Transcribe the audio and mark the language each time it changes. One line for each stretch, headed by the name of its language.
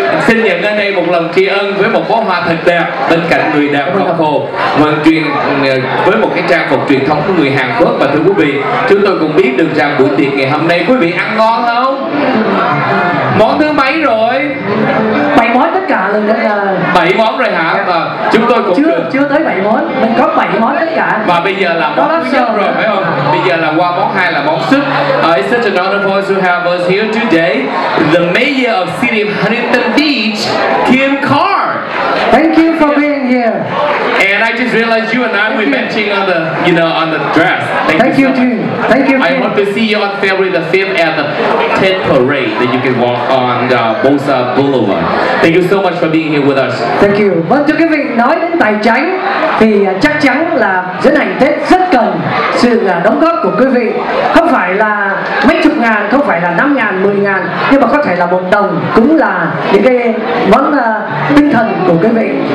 Vietnamese: Xin nhận ở đây một lần tri ân với một bó hoa thật đẹp bên cạnh người đẹp Ngọc Hồ, vận chuyển với một cái trang phục truyền thống của người Hàn Quốc. Và thưa quý vị, chúng tôi cũng biết được rằng buổi tiệc ngày hôm nay quý vị ăn ngon không? Món thứ mấy rồi? 7 món tất cả luôn đấy. 7 món rồi hả? Và chúng tôi cũng chưa tới 7 món, mình có 7 món tất cả. Và bây giờ là món thứ nhất rồi phải không? Bây giờ là qua món 2 là món súp.
English: It's such an honor for us to have us here today, the mayor of City of Huntington Beach, Kim Carr. Thank you for being here. And I just realized you and I, we're matching on the, you know, on the dress. Thank you, Tim. I hope to see you on February the 5th at the Ted Parade that you can walk on Bosa Boulevard. Thank you so much for being here with us. Thank you.
Vietnamese: Vâng, thưa quý vị, nói đến tài chính thì chắc chắn là diễn hành Tết rất cần sự đóng góp của quý vị. Không phải là mấy chục ngàn, không phải là 5.000, 10.000, nhưng mà có thể là 1 đồng cũng là những cái món tinh thần của quý vị.